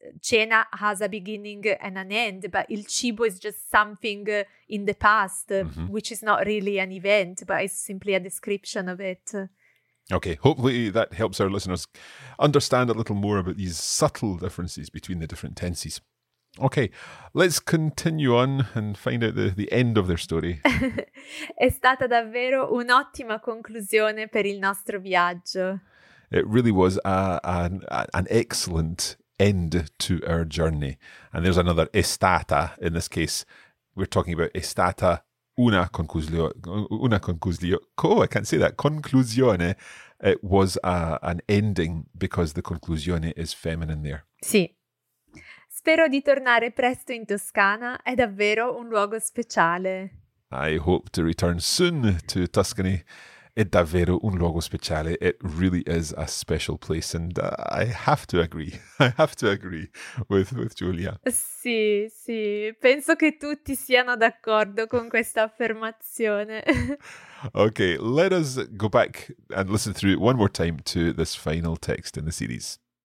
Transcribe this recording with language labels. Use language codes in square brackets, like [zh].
[en] cena has a beginning and an end, but [it] il cibo [en] is just something in the past, mm-hmm. which is not really an event, but it's simply a description of it. Okay, hopefully that helps our listeners understand a little more about these subtle differences between the different tenses. Okay, let's continue on and find out the end of their story. [it] È stata davvero un'ottima conclusione per il nostro viaggio. [en] It really was an excellent end to our journey. And there's another estata in this case. We're talking about estata conclusione. It was an ending because the conclusione is feminine there. [it] Sì. Spero di tornare presto in Toscana. È davvero un luogo speciale. [en] I hope to return soon to Tuscany. [it] È davvero un luogo speciale. [en] It really is a special place. And I have to agree. I have to agree with Giulia. [it] Sì, sì. Penso che tutti siano d'accordo con questa affermazione. [en] Okay, let us go back and listen through one more time to this final text in the series.